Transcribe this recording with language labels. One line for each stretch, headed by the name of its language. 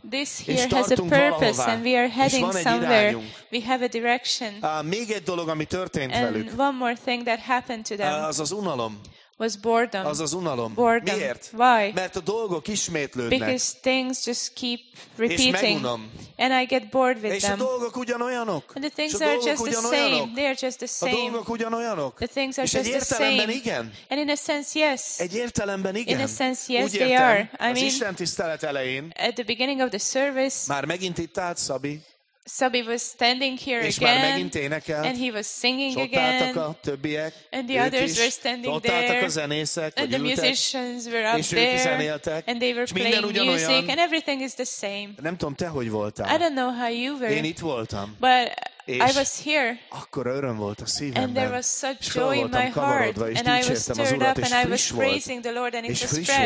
English: This here has a purpose and we are heading somewhere. We have a direction.
Hungarian: Még egy dolog, ami történt
English: and
Hungarian: velük.
English: One more thing that happened to them.
Hungarian: Az az unalom.
English: Was boredom.
Hungarian: Az az unalom.
English: Boredom.
Hungarian: Miért?
English: Why?
Hungarian: Mert a dolgok ismétlődnek.
English: Because things just keep repeating.
Hungarian: És megunom.
English: And I get bored with
Hungarian: és
English: them.
Hungarian: És a dolgok ugyanolyanok.
English: And the things are just the same. They are just the same.
Hungarian: A dolgok ugyanolyanok.
English: The things are just the same.
Hungarian: És egy értelemben igen.
English: And in a sense, yes.
Hungarian: Egy értelemben igen.
English: In a sense, yes,
Hungarian: úgy
English: they are. I mean,
Hungarian: az Isten tisztelet elején.
English: At the beginning of the service.
Hungarian: Már megint itt állt Szabi.
English: Szabi was standing here again, and he was singing again,
Hungarian: többiek,
English: and the others were standing there,
Hungarian: zenészek,
English: and the musicians were up there, and they were playing music, and everything is the same.
Hungarian: Nem tudom, te hogy voltál.
English: I don't know how you were,
Hungarian: én itt voltam.
English: But I was here,
Hungarian: akkora öröm volt a szívemben,
English: and there was such joy in my heart, and I was stirred up, and I was praising the Lord, and it was fresh.